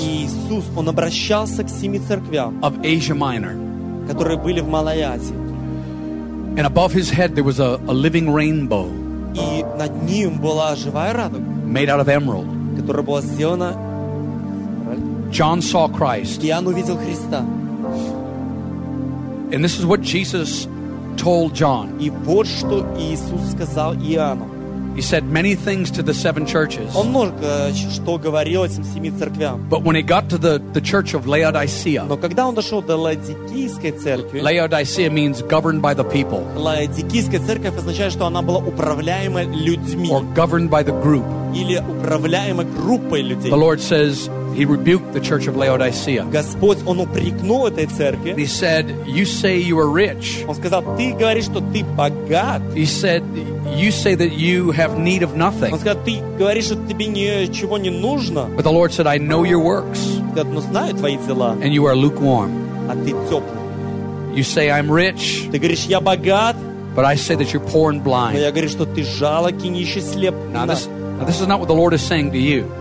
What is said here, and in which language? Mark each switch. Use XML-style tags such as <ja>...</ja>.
<ru>Иисус, он обращался к семи церквям.</ru> <en>Of Asia Minor.</en> <ru>Которые были в Малой Азии.</ru> <en>And above his head there was a living rainbow.</en> <ru>И над ним была живая радуга.</ru> <en>Made out of emerald.</en> <ru>Которая была сделана.</ru> <en>John saw Christ.</en> <ru>Иоанн увидел Христа.</ru> <en>And this is what Jesus told John.</en> <ru>И вот что Иисус сказал Иоанну.</ru> <en>He said many things to the seven churches.</en> <ru>Он много что говорил этим семи церквям.</ru> <en>But when he got to the church of Laodicea.</en> <ru>Но когда он дошел до Лаодикийской церкви.</ru> <en>Laodicea means governed by the people.</en> <ru>Лаодикийская церковь означает, что она была управляема людьми.</ru> <en>Or governed by the group.</en> <ru>Или управляема группой людей.</ru> <en>The Lord says he rebuked the church of Laodicea.</en> <ru>Господь, он упрекнул этой церкви.</ru> <en>He said, "You say you are rich."</en> <ru>Он сказал, ты говоришь, что ты богат.</ru> <en>He said, "You say that you have need of nothing."</en> <ru>Он сказал, ты говоришь, что тебе ничего не нужно.</ru> <en>But the Lord said, "I know your works."</en> <ru>Я знаю твои дела.</ru> <en>And you are lukewarm.</en> <ru>А ты теплый.</ru> <en>You say, "I'm rich."</en> <ru>Ты говоришь, я богат.</ru> <en>But I say that you're poor and blind.</en> <ru>Я говорю, что ты жалок и нищий, слеп.</ru> <en>Now this is not what the Lord is saying to you.</en>